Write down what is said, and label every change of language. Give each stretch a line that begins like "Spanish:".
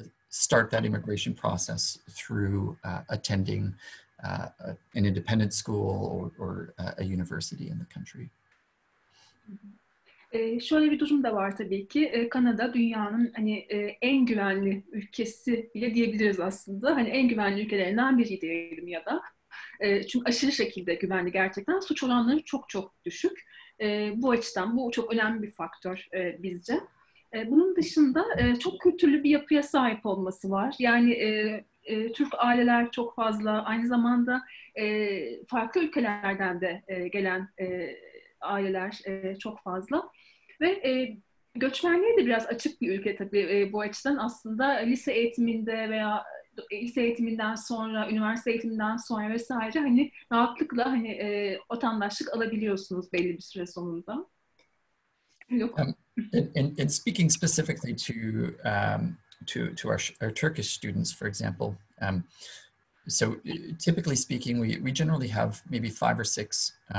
English: start that immigration process through attending an independent school or a university in the country.
Turkish: Şöyle bir durum da var tabii ki. Kanada dünyanın hani en güvenli ülkesi bile diyebiliriz aslında. Hani en güvenli ülkelerinden biri diyelim ya da. Çünkü aşırı şekilde güvenli gerçekten. Suç oranları çok çok düşük. Bu açıdan bu çok önemli bir faktör bizce. Bunun dışında çok kültürlü bir yapıya sahip olması var. Yani Türk aileler çok fazla. Aynı zamanda farklı ülkelerden de gelen aileler çok fazla ve göçmenliğe de biraz açık bir ülke tabii bu açıdan aslında lise eğitiminde veya lise eğitiminden sonra üniversite eğitiminden sonra vesaire hani rahatlıkla hani vatandaşlık alabiliyorsunuz belli bir süre sonunda. Yok.
English: And speaking specifically to our Turkish students, for example, so typically speaking, we generally have maybe 5 or 6